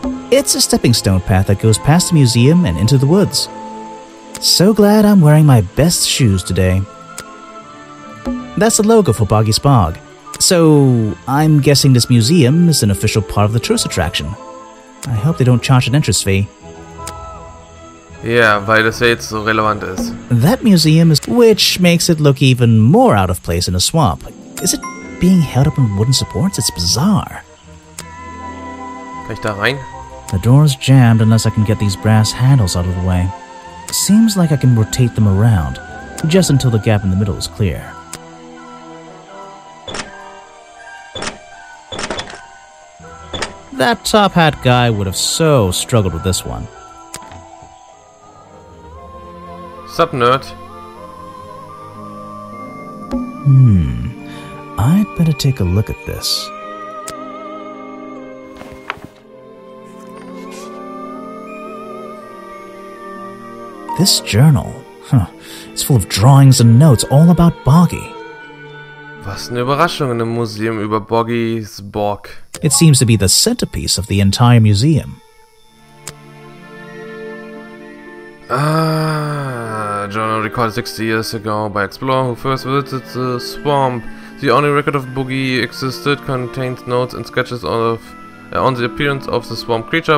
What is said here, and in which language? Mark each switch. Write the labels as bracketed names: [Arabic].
[English] It's a stepping stone path that goes past the museum and into the woods. So glad I'm wearing my best shoes today. That's the logo for Boggy's Bog. So, I'm guessing this museum is an official part of the tourist attraction. I hope they don't charge an entrance fee. [German] Yeah, weil das ja jetzt so relevant ist. [English] That museum is... Which makes it look even more out of place in a swamp. Is it being held up on wooden supports? It's bizarre. [German] Kann ich da rein? [English] The door's jammed unless I can get these brass handles out of the way. Seems like I can rotate them around, just until the gap in the middle is clear. That top hat guy would have so struggled with this one. Sup, nerd? I'd better take a look at this. This journal, it's full of drawings and notes all about Boggy. [German] Was eine Überraschung in einem Museum über Boggys Borg. [English] It seems to be the centerpiece of the entire museum. Journal recorded 60 years ago by explorer who first visited the swamp. The only record of Boggy existed contains notes and sketches of on the appearance of the swamp creature.